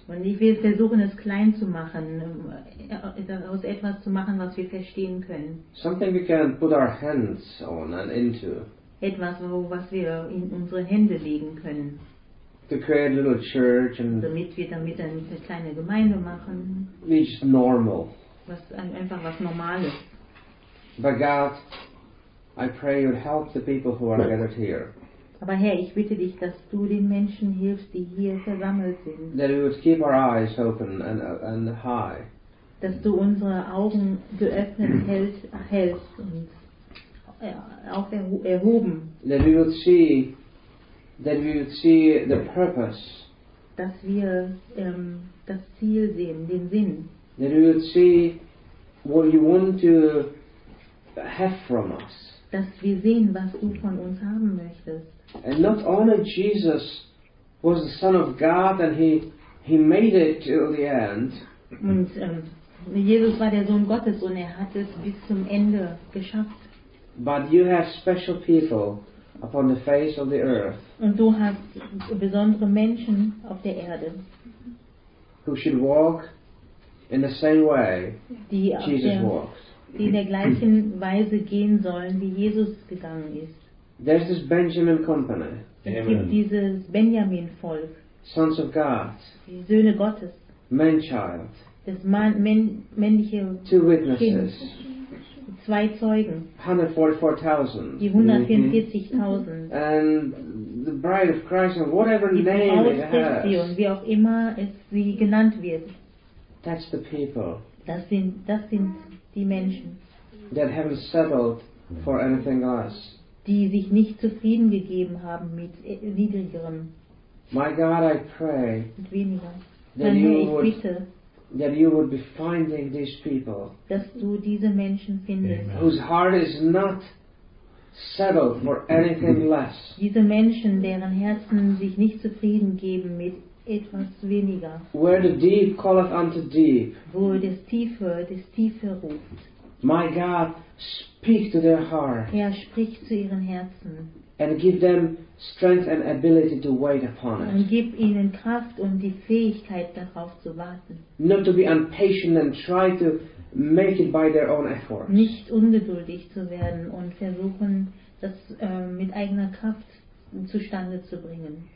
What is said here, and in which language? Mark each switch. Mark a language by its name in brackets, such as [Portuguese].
[German] Und wir versuchen es klein zu machen, aus etwas zu machen, was wir verstehen können. [English] Something we can put our hands on and into. [German] Etwas, was wir in unsere Hände legen können. [English] To create a little church and [German] damit wir damit eine kleine Gemeinde machen. [English] Which is normal. [German] Einfach was Normales. [English] But God, I pray you'd help the people who are gathered here. [German] Aber Herr, ich bitte dich, dass du den Menschen hilfst, die hier versammelt sind. [English] That we would keep our eyes open and high. [German] Dass du unsere Augen geöffnet hältst und erhoben. [English] That we would see, the purpose. [German] Dass wir das Ziel sehen, den Sinn. [English] That we would see what you want to have from us. [German] Dass wir sehen, was du von uns haben möchtest. [English] And not only Jesus was the Son of God and he made it till the end. [German] Und Jesus war der Sohn Gottes und hat es bis zum Ende geschafft. [English] But you have special people upon the face of the earth. [German] Und du hast besondere Menschen auf der Erde. [English] Who should walk in the same way [German] die [English] Jesus walks. [German] Die in der gleichen Weise gehen sollen, wie Jesus gegangen ist. [English] There's this Benjamin Company. [German] Es gibt dieses Benjamin-Volk. [English] Sons of God. [German] Die Söhne Gottes. [English] Man-child. [German] Das männliche Kind. [English] Two witnesses. [German] Zwei Zeugen. 144,000. Die 144,000. [English] And the Bride of Christ or whatever [German] die [English] name [German] Frau [English] it has. [German] Die und wie auch immer es sie genannt wird. [English] That's the people. [German] Das sind die Menschen. [English] That haven't settled for anything else. [German] die sich nicht zufrieden gegeben haben mit niedrigerem. [English] My God, I pray that you would be finding these people, [German] dass du diese Menschen findest, [English] whose heart is not settled for anything less. [German] Diese Menschen, deren Herzen sich nicht zufrieden geben mit etwas weniger. [English] Where the deep calleth unto deep. [German] Wo das Tiefe ruft. [English] My God, speak to their heart. [German] Herr, sprich zu ihren Herzen. [English] And give them strength and ability to wait upon it. [German] Und gib ihnen Kraft und die Fähigkeit darauf zu warten. [English] Not to be impatient and try to make it by their own efforts. [German] Nicht ungeduldig zu werden und versuchen, das mit eigener Kraft zustande zu bringen.